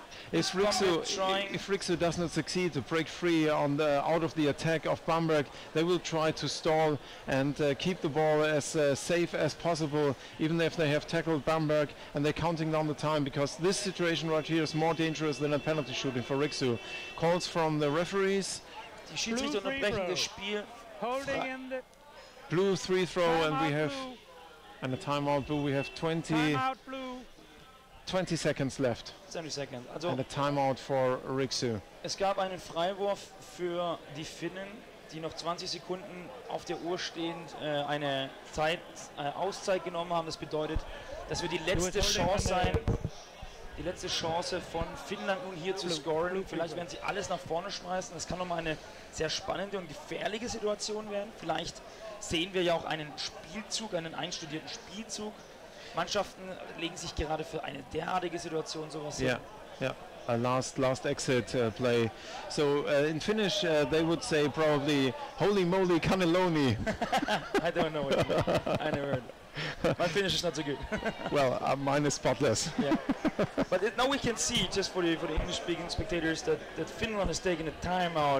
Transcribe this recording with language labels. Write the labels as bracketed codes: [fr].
[en] If Rixu does not succeed to break free on the out of the attack of Bamberg, they will try to stall and keep the ball as safe as possible, even if they have tackled Bamberg and they're counting down the time, because this situation right here is more dangerous than a penalty shooting for Rixu. Calls from the referees. [de] Die Schiedsrichter unterbrechen das Spiel. [en] Blue three throw, and we have and a timeout blue. We have 20 seconds left. 20 seconds. Also and a timeout for Rixu. [de] Es gab einen Freiwurf für die Finnen, die noch 20 Sekunden auf der Uhr stehend eine Auszeit genommen haben. Das bedeutet, dass wir die letzte Chance von Finnland nun hier zu scoren. Vielleicht werden sie alles nach vorne schmeißen. Das kann nochmal eine sehr spannende und gefährliche Situation werden. Vielleicht sehen wir ja auch einen einstudierten Spielzug. Mannschaften legen sich gerade für eine derartige Situation sowas hin. [en] A last exit play. So in Finnish they would say probably holy moly cannelloni. I don't know what you mean. I never heard. My finish is not so good. Well, mine is spotless. Yeah. But now we can see, just for the English-speaking spectators, that Finland is taking a timeout.